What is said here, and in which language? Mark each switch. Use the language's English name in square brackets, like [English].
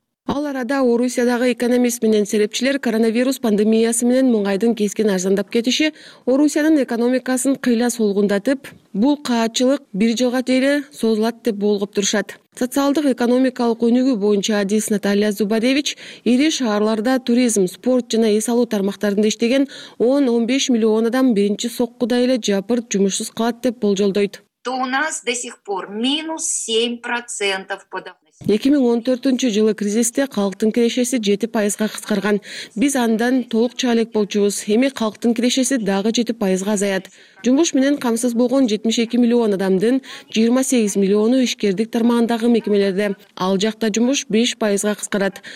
[Kyrgyz] Ал арада Орусиядагы экономист менен серепчилер коронавирус пандемиясы менен мунгайдын кескин арзандап кетиши Орусиянын экономикасын кыйла солгундатып, бул каачылык бир жылга чейин созулат деп болгоп турушат. Социалдык экономикалык өнүгүү боюнча адис Наталья Зубадевич ири шаарларда туризм, спорт жана эс алуу тармактарында иштеген 10-15 миллион адам биринчи соккуда эле жапырт жумушсуз калат деп болжолдойт. [Russian] У нас до сих пор минус 7% по доходности. [Kyrgyz] 2014 жылы кризисте калктын кирешеси 7% кыскарган. Биз андан толук чыга элек болчубуз. Эми калктын кирешеси дагы 7% азаят. Жумуш менен камсыз болгон 72 миллион адамдын 28 миллиону ишкердик тармагындагы мекемелерде. Ал жакта жумуш 5% кыскарат.